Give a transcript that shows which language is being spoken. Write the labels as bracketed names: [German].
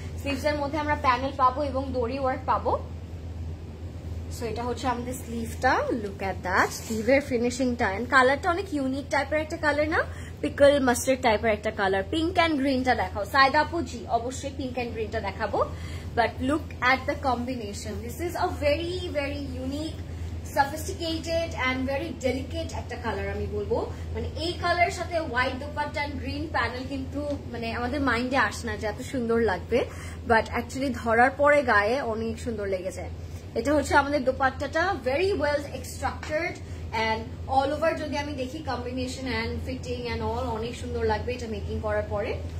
[Bangla] Sleeves এর মধ্যে আমরা প্যানেল পাবো এবং দড়ি ওয়ার্ক পাবো, সো এটা হচ্ছে আমাদের স্লিভটা, [English] look at that sleeve [Bangla] এর ফিনিশিংটা, অ্যান্ড কালারটা অনেক ইউনিক টাইপের একটা কালার, না পিকল মাস্টার্ড টাইপের একটা কালার, পিঙ্ক অ্যান্ড গ্রিনটা দেখাও সাইদাপু, জি অবশ্যই পিঙ্ক অ্যান্ড গ্রিনটা দেখাবো, [English] But look at the combination. This is a very, very unique, sophisticated and very delicate [Bangla] একটা কালার আমি বলবো। মানে এই কালারের সাথে white dupatta and green panel কিন্তু মানে আমাদের মাইন্ডে আসে না যে এত সুন্দর লাগবে, বাট অ্যাকচুয়ালি ধরার পরে গায়ে অনেক সুন্দর লেগে যায়। এটা হচ্ছে আমাদের দোপাট্টাটা, very well এক্সট্রাকচার্ড and all over যদি আমি দেখি combination and fitting and all অনেক সুন্দর লাগবে এটা মেকিং করার পরে।